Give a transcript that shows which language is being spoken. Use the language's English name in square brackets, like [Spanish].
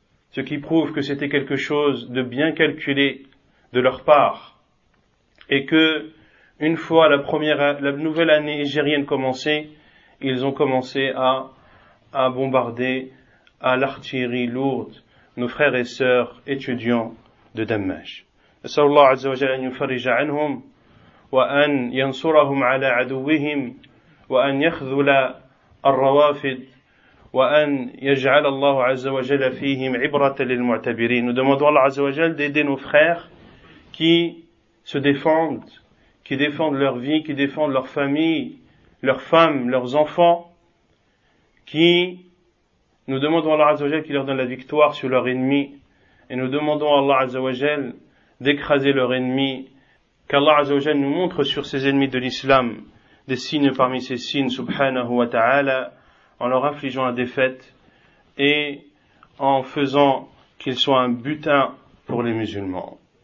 [French] Ce qui prouve que c'était quelque chose de bien calculé de leur part. Et que, une fois la nouvelle année égérienne commencée, ils ont commencé à bombarder à l'artillerie lourde nos frères et sœurs étudiants de Dammaj. [Arabic] نسأل الله عز وجل أن يفرج عنهم وأن ينصرهم على عدوهم وأن يخذل الروافد وأن يجعل الله عز وجل فيهم عبرة للمعتبرين. [French] Nous demandons à Allah عز وجل d'aider nos frères qui se défendent, qui défendent leur vie, qui défendent leur famille, leurs femmes, leurs enfants, qui nous demandons à Allah عز وجل qui leur donne la victoire sur leur ennemi, et nous demandons à Allah عز وجل d'écraser leur ennemi, qu'Allah Azzawajal nous montre sur ses ennemis de l'islam des signes parmi ces signes, subhanahu wa ta'ala, en leur infligeant la défaite et en faisant qu'ils soient un butin pour les musulmans.